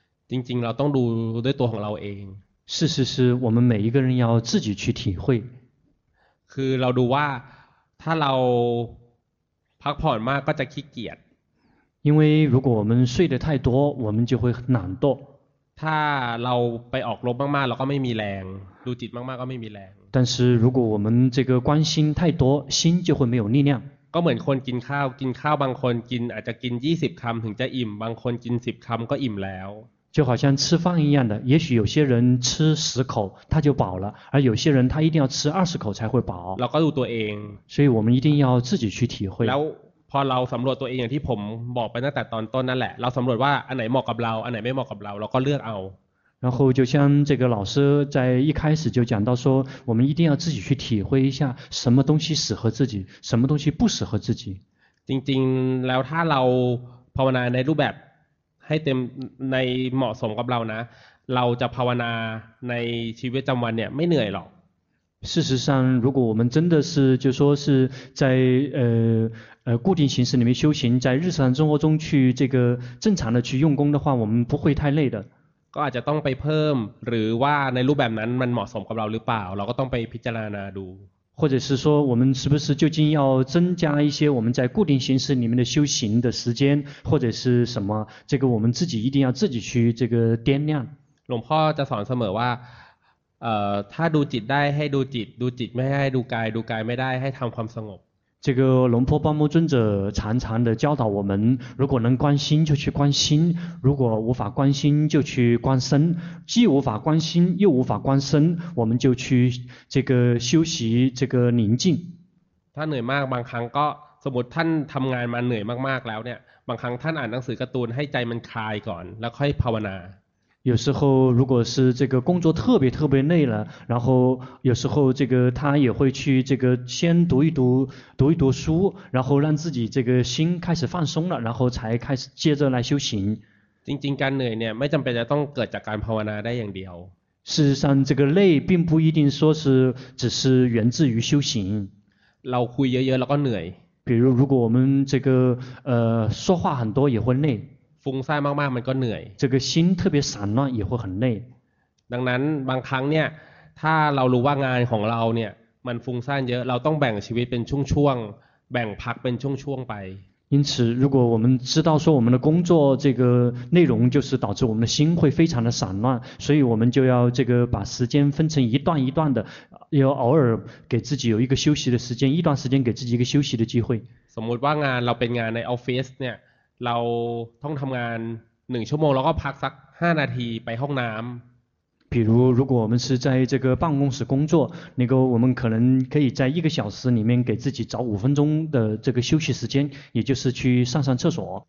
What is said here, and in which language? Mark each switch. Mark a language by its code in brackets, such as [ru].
[th] จริงๆเราต้องดูด้วยตัวของเราเอง [zh] 是是是我们每一个人要自己去体会 [th] คือเราดูว่าถ้าเราพักผ่อนมากก็จะขี้เกียจ [zh] 因为如果我们睡得太多我们就会懒惰 [th] ถ้าเราไปออกรบมากๆเราก็ไม่มีแรงดูจิตมากๆก็ไม่มีแรง [zh] 但是如果我们这个关心太多心就会没有力量 [th] ก็เหมือนคนกินข้าวกินข้าวบางคนกินอาจจะกิน20คำถึงจะอิ่มบางคนกิน10คำก็อิ่มแล้ว [zh] 就好像吃饭一样的也许有些人吃十口他就饱了而有些人他一定要吃二十口才会饱 [th] เราก็ดูตัวเอง [zh] 所以我们一定要自己去体会 [th] แล้วพอเราสำรวจตัวเองอย่างที่ผมบอกไปตั้งแต่ตอนต้นนั่นแหละเราสำรวจว่าอันไหนเหมาะกับเราอันไหนไม่เหมาะกับเราเราก็เลือกเอา [zh] 然后就像这个老师在一开始就讲到说我们一定要自己去体会一下什么东西适合自己什么东西不适合自己 [th] จริงๆแล้วถ้าเราภาวนาในรูปแบบให้เต็มในเหมาะสมกับเรานะเราจะภาวนาในชีวิตประจำวันเนี่ยไม่เหนื่อยหรอก [zh] 事实上如果我们真的是就说是在固定形式里面修行在日常生活中去这个正常的去用功的话我们不会太累的 [th] ก็อาจจะต้องไปเพิ่มหรือว่าในรูปแบบนั้นมันเหมาะสมกับเราหรือเปล่าเราก็ต้องไปพิจารณาดู [zh] 或者是说我们是不是究竟要增加一些我们在固定形式里面的修行的时间或者是什么这个我们自己一定要自己去这个掂量 [th] หลวงพ่อจะสอนเสมอว่าถ้าดูจิตได้ให้ดูจิตดูจิตไม่ให้ดูกายดูกายไม่ได้ให้ทำความสงบ [zh] 这个龙婆巴木尊者常常的教导我们如果能观心就去观心如果无法观心就去观身既无法观心又无法观身我们就去这个休息这个宁静 [th] ท่านเหนื่อยมากบางครั้งก็สมมติท่านทำงานมาเหนื่อยมากๆแล้วเนี่ยบางครั้งท่านอ่านหนังสือการ์ตูนให้ใจมันคลายก่อนแล้วค่อยภาวนา [zh] 有时候如果是这个工作特别特别累了然后有时候这个他也会去这个先读一读读一读书然后让自己这个心开始放松了然后才开始接着来修行 [th] จริงๆการเหนื่อยเนี่ยไม่จำเป็นจะต้องเกิดจากการภาวนาได้อย่างเดียว [zh] 事实上这个累并不一定说是只是源自于修行 [th] เราคุยเยอะๆเราก็เหนื่อย [zh] 比如如果我们这个说话很多也会累 [th] ฟุ้งซ่านมากๆมันก็เหนื่อย [zh] 这个心特别散乱也会很累 [th] ดังนั้นบางครั้งเนี่ยถ้าเรารู้ว่างานของเราเนี่ยมันฟุ้งซ่านเยอะเราต้องแบ่งชีวิตเป็นช่วงๆแบ่งพักเป็นช่วงๆไป [zh] 因此如果我们知道说我们的工作这个内容就是导致我们的心会非常的散乱所以我们就要这个把时间分成一段一段的要偶尔给自己有一个休息的时间一段时间给自己一个休息的机会 [th] สมมติว่างานเราเป็นงานในออฟฟิศเนี่ยเราต้องทำงาน1ชั่วโมงแล้วก็พักสัก5นาทีไปห้องน้ำ [zh] 比如如果我们是在这个办公室工作那个我们可能可以在一个小时里面给自己找五分钟的这个休息时间也就是去上上厕所